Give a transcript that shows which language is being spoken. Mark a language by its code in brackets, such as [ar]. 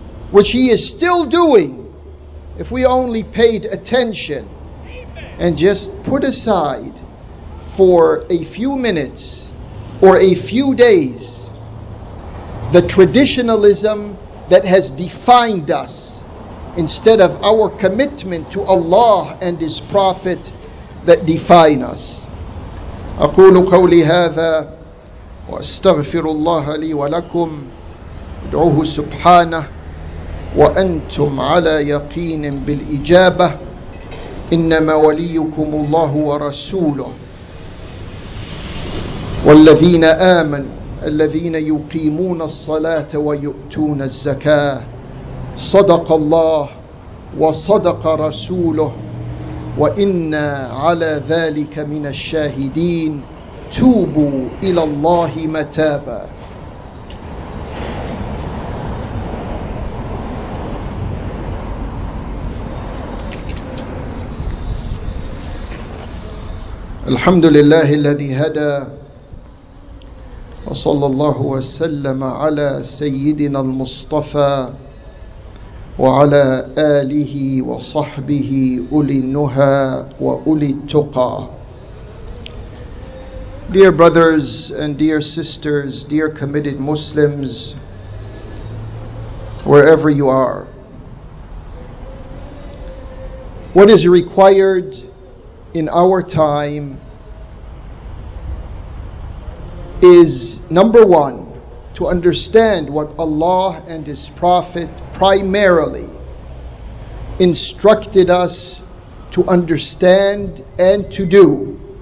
[en] Which he is still doing, if we only paid attention and just put aside for a few minutes or a few days the traditionalism that has defined us instead of our commitment to Allah and His Prophet that define us. [ar] أقول قولي هذا وأستغفر الله لي ولكم أدعوه سبحانه وأنتم على يقين بالإجابة إنما وليكم الله ورسوله والذين آمنوا الذين يقيمون الصلاة ويؤتون الزكاة صدق الله وصدق رسوله وإنا على ذلك من الشاهدين توبوا إلى الله متابا. الحمد لله الذي هدى وصلى الله وسلم على سيدنا المصطفى وعلى آله وصحبه أولي النهى وأولي التقى. [en] Dear brothers and dear sisters, dear committed Muslims, wherever you are, what is required in our time is, number one, to understand what Allah and His Prophet primarily instructed us to understand and to do.